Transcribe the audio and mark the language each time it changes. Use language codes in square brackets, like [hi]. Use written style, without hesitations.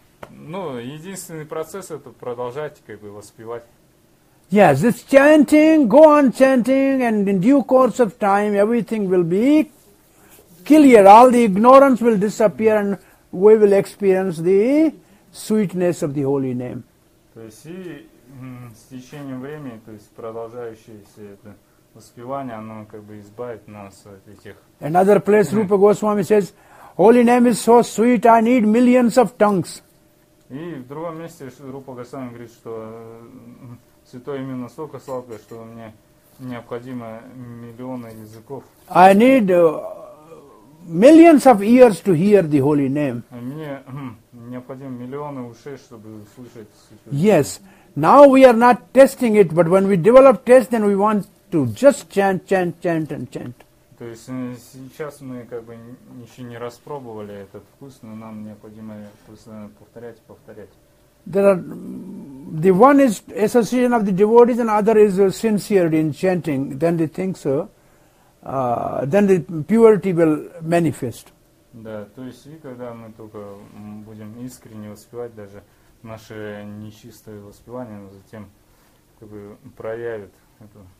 [ru] Ну, единственный процесс это продолжать как бы воспевать. [en] Yes, it's chanting, go on chanting, and in due course of time everything will be clear, all the ignorance will disappear and we will experience the sweetness of the holy name. [ru] То есть и с течением времени, то есть продолжающееся это воспевание, оно как бы избавит нас от этих... [en] Another place Rupa Goswami says, holy name is so sweet, I need millions of tongues. [ru] И в другом месте Рупа Госвами говорит, что святое имя настолько сладкое, что мне необходимо миллионы языков. [en] I need millions of ears to hear the holy name. [ru] Мне необходимо миллионы ушей, чтобы услышать святое имя. [en] Yes. Now we are not testing it, but when we develop taste, then we want to just chant, chant, chant, and chant. [ru] То есть сейчас мы как бы еще не распробовали этот вкус, но нам необходимо постоянно повторять и повторять. [en] There are, the one is association of the devotees, and other is sincerity in chanting. Then the things, then the purity will manifest. [ru] Да, то есть и когда мы только будем искренне воспевать, даже наше нечистое воспевание, но затем как бы проявит эту